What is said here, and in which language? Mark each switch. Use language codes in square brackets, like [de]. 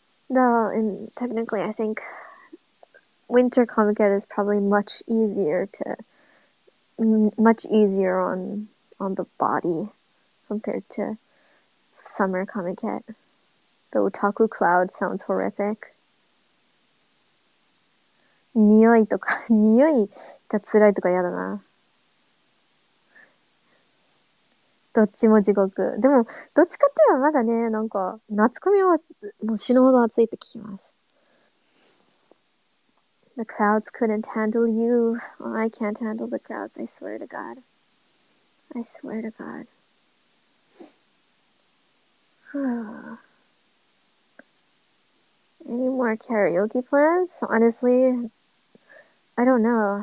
[en] Though, and technically, I think Winter Comic Cat is probably much easier to... much easier on the body compared to Summer Comic Cat. The otaku cloud sounds horrific. [ja] 匂いとか、匂いが辛いとか嫌だな。どっちも地獄。でも、どっちかって言えばまだね、なんか、夏コミはもう死ぬほど暑いって聞きます。 [en] The crowds couldn't handle you. I can't handle the crowds, I swear to God. I swear to God. Any more karaoke plans? Honestly, I don't know.